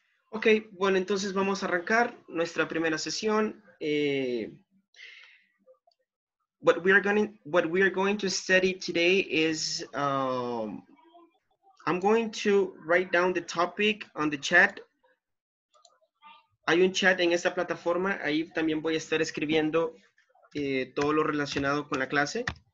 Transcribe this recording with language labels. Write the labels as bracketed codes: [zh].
[es] Ok, bueno, entonces vamos a arrancar nuestra primera sesión. [en] What we are going to study today is I'm going to write down the topic on the chat. [es] Hay un chat en esta plataforma. Ahí también voy a estar escribiendo todo lo relacionado con la clase.